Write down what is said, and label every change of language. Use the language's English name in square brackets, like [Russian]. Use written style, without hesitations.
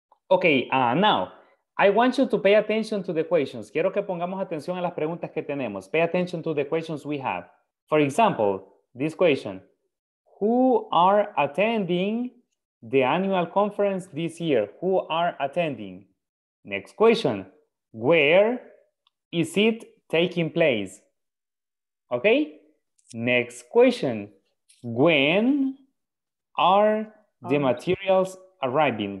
[English] Okay, now, I want you to pay attention to the questions. [Spanish] Quiero que pongamos atención a las preguntas que tenemos. [English] Pay attention to the questions we have. For example, this question. Who are attending the annual conference this year? Who are attending? Next question. Where is it taking place? Okay? Next question. When are the materials arriving?